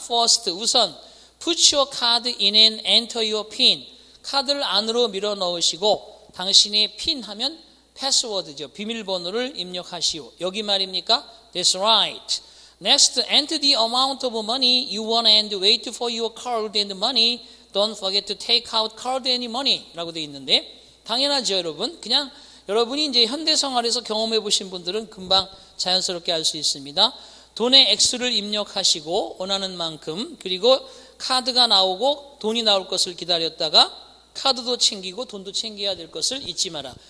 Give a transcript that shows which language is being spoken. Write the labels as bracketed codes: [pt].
[en] First, 우선 put your card in and enter your pin. [ko] 카드를 안으로 밀어 넣으시고 당신의 핀 하면 패스워드죠. 비밀번호를 입력하시오. 여기 말입니까? [en] That's right. Next, enter the amount of money you want and wait for your card and money. Don't forget to take out card and money. [ko] 라고 되어 있는데 당연하죠, 여러분. 그냥 여러분이 이제 현대 생활에서 경험해 보신 분들은 금방 자연스럽게 알 수 있습니다. 돈의 액수를 입력하시고 원하는 만큼, 그리고 카드가 나오고 돈이 나올 것을 기다렸다가 카드도 챙기고 돈도 챙겨야 될 것을 잊지 마라.